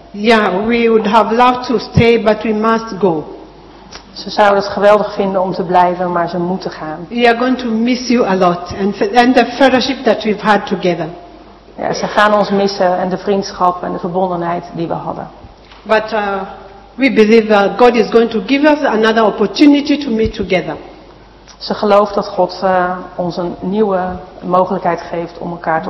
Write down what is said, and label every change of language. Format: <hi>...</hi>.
<en>Ja, we would have loved to stay, but we must go.</en> <nl>Ze zouden het geweldig vinden om te blijven, maar ze moeten gaan.</nl> <en>We are going to miss you a lot and the fellowship that we've had together.</en> <nl>Ja, ze gaan ons missen en de vriendschap en de verbondenheid die we hadden.</nl> <en>But we believe that God is going to give us another opportunity to meet together.</en> <nl>Ze gelooft dat God ons een nieuwe mogelijkheid geeft om elkaar te</nl>